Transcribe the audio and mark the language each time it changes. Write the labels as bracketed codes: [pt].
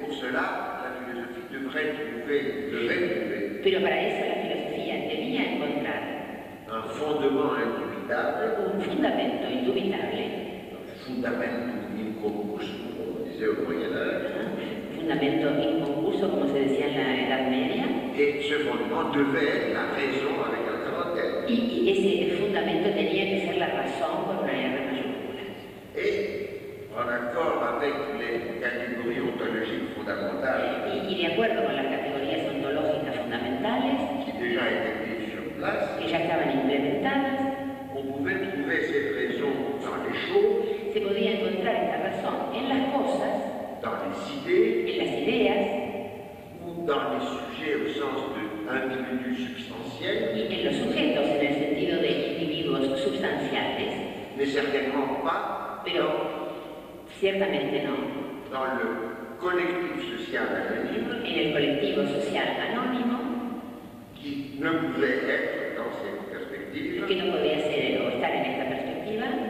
[fr] pour cela, la philosophie devrait trouver, [es] Pero para eso la filosofía debía encontrar [fr] un fondement indubitable. [es] Un fundamento indubitable. Fundamento inconcluso, como dice el Moyen-Âge. Fundamento inconcluso, como se decía en la Edad Media. [fr] Et ce fondement devait être la raison avec un grand T. [es] Y ese fundamento tenía que ser la razón con una R mayúscula. [fr] Et en accord avec les catégories ontologiques fondamentales. [es] Y de acuerdo con las categorías ontológicas fundamentales. [fr] Qui déjà étaient mises sur place. [es] Que ya estaban implementadas. [fr] On pouvait trouver ces raisons dans les choses. [es] Se podía encontrar esta razón en las cosas. [fr] Dans les idées. [es] En las ideas. [fr] Ou dans les sujets au sens de individu substantiel. [es] Y en los sujetos en el sentido de individuos substanciales. [fr] Mais certainement pas. [es] Pero ciertamente no. [fr] Dans le collectif social anonyme, [es] en el colectivo social anónimo, [fr] qui ne pouvait être dans cette perspective, [es] que no podía ser o estar en esta perspectiva,